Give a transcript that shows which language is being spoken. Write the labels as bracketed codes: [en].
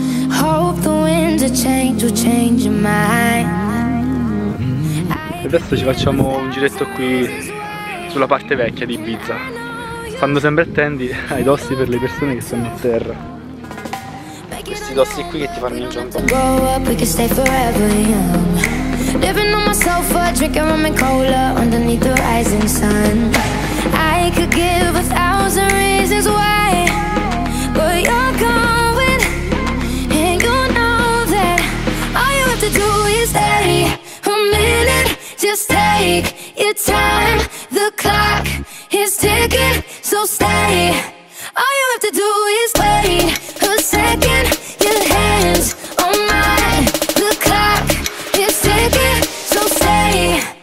[en] Hope the winds change will change your mind. [it] Adesso ci facciamo un giretto qui sulla parte vecchia di Ibiza. Stando sempre attenti ai dossi per le persone che sono a terra. Questi dossi qui che ti fanno in jumbo. [en] Just take your time, the clock is ticking, so stay. All you have to do is wait a second, your hands on mine. The clock is ticking, so stay.